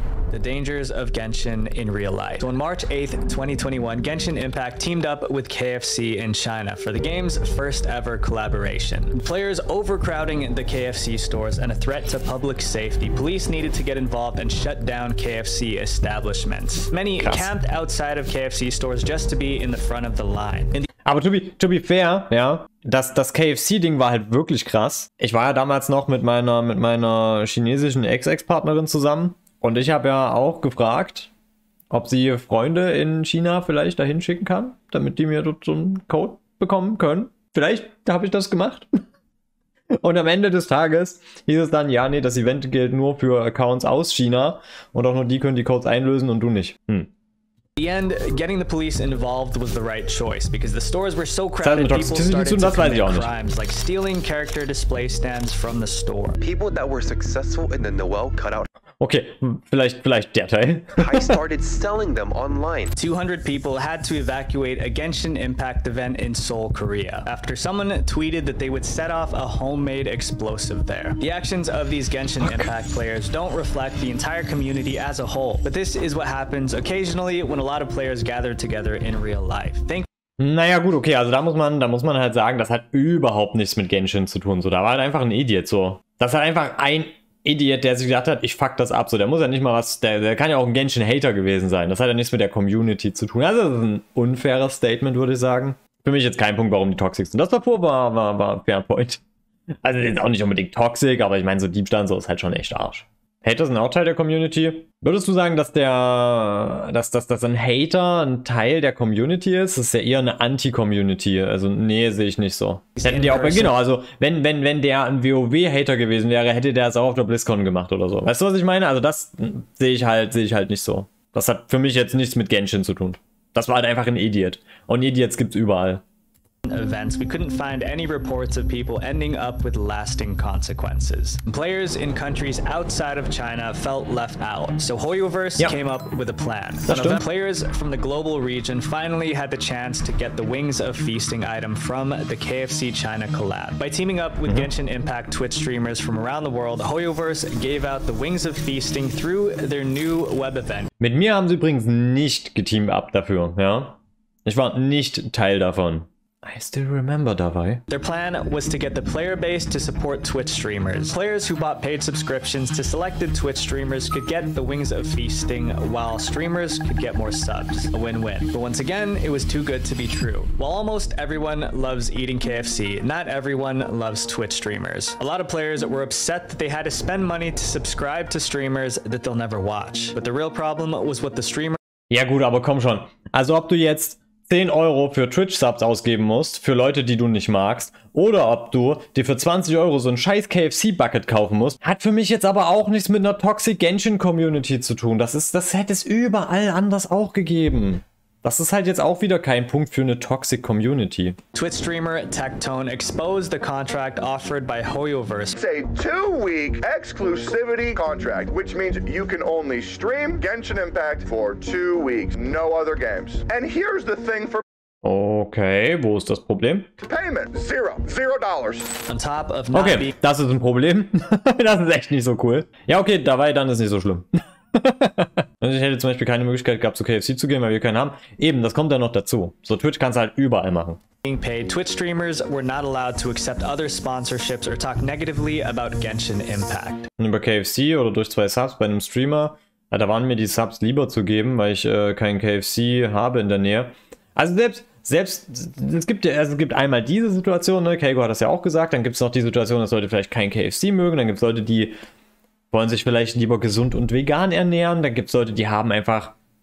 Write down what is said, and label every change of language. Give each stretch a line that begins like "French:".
English: The dangers of Genshin in real life. So on March 8th, 2021, Genshin Impact teamed up with KFC in China for the game's first ever collaboration. Players overcrowding the KFC stores and a threat to public safety, police needed to get involved and shut down KFC establishments. Many Krass. Camped outside of KFC stores just to be in the front of the line.
German: Aber to be fair, ja, das KFC-Ding war halt wirklich krass. Ich war ja damals noch mit meiner chinesischen Ex-Partnerin zusammen. Und ich habe ja auch gefragt, ob sie Freunde in China vielleicht dahin schicken kann, damit die mir dort so einen Code bekommen können. Vielleicht habe ich das gemacht. Und am Ende des Tages hieß es dann, ja, nee, das Event gilt nur für Accounts aus China und auch nur die können die Codes einlösen und du nicht.
English: In the end, getting the police involved was the right choice because the stores were so crowded, people started to commit crimes like stealing character display stands from the store. People that were successful in the Noel cutout.
German: Okay, vielleicht der Teil.
English: I started selling them online. 200 people had to evacuate a Genshin Impact event in Seoul, Korea, after someone tweeted that they would set off a homemade explosive there. The actions of these Genshin Impact players don't reflect the entire community as a whole, but this is what happens occasionally when a lot of players gather together in real life.
German: Naja gut, okay, also da muss man halt sagen, das hat überhaupt nichts mit Genshin zu tun. So, da war halt einfach ein Idiot so. Das hat einfach ein Idiot, der sich gedacht hat, ich fuck das ab. So, der muss ja nicht mal was, der kann ja auch ein Genshin-Hater gewesen sein. Das hat ja nichts mit der Community zu tun. Also, das ist ein unfaires Statement, würde ich sagen. Für mich jetzt kein Punkt, warum die toxic sind. Das davor war fair point. Also, die sind auch nicht unbedingt toxic, aber ich meine, so Diebstahl und so ist halt schon echt Arsch. Hater sind auch Teil der Community. Würdest du sagen, dass ein Hater ein Teil der Community ist? Das ist ja eher eine Anti-Community. Also, nee, sehe ich nicht so. Hätten die auch bei, genau, also, wenn der ein WoW-Hater gewesen wäre, hätte der es auch auf der BlizzCon gemacht oder so. Weißt du, was ich meine? Also, das sehe ich halt nicht so. Das hat für mich jetzt nichts mit Genshin zu tun. Das war halt einfach ein Idiot. Und Idiots gibt's überall.
English: Events, we couldn't find any reports of people ending up with lasting consequences. Players in countries outside of China felt left out, so Hoyoverse yep. came up with a plan. Players from the global region finally had the chance to get the Wings of Feasting item from the KFC China collab. By teaming up with Genshin Impact Twitch streamers from around the world, Hoyoverse gave out the Wings of Feasting through their new web event.
German: Mit mir haben sie übrigens nicht geteamt ab dafür, ja? Ich war nicht Teil davon. I still remember dabei.
English: Their plan was to get the player base to support Twitch streamers. Players who bought paid subscriptions to selected Twitch streamers could get the Wings of Feasting, while streamers could get more subs. A win-win. But once again, it was too good to be true. While almost everyone loves eating KFC, not everyone loves Twitch streamers. A lot of players were upset that they had to spend money to subscribe to streamers that they'll never watch. But the real problem was what the streamer...
German: Ja gut, aber komm schon. Also ob du jetzt 10 Euro für Twitch-Subs ausgeben musst, für Leute, die du nicht magst, oder ob du dir für 20 Euro so ein scheiß KFC-Bucket kaufen musst, hat für mich jetzt aber auch nichts mit einer Toxic Genshin-Community zu tun. Das hätte es überall anders auch gegeben. Das ist halt jetzt auch wieder kein Punkt für eine toxic community.
English: Twitch streamer Tectone exposed the contract offered by Hoyoverse. It's a 2-week exclusivity contract, which means you can only stream Genshin Impact for 2 weeks, no other games. And here's the thing for
German: okay, wo ist das Problem?
English: Payment, zero, $0. On top of
German: okay, das ist ein Problem. Das ist echt nicht so cool. Ja, okay, dabei dann ist nicht so schlimm. Also ich hätte zum Beispiel keine Möglichkeit gehabt, zu KFC zu gehen, weil wir keinen haben. Eben, das kommt dann noch dazu. So, Twitch kannst du halt überall machen.
English: Twitch streamers were not allowed to accept other sponsorships or talk negatively about Genshin Impact.
German: Und über KFC oder durch zwei Subs bei einem Streamer, da waren mir die Subs lieber zu geben, weil ich keinen KFC habe in der Nähe. Also es gibt einmal diese Situation, ne? Keigo hat das ja auch gesagt, dann gibt es noch die Situation, dass Leute vielleicht keinen KFC mögen, dann gibt es Leute, die wollen sich vielleicht lieber gesund und vegan ernähren. Da gibt es Leute, die haben einfach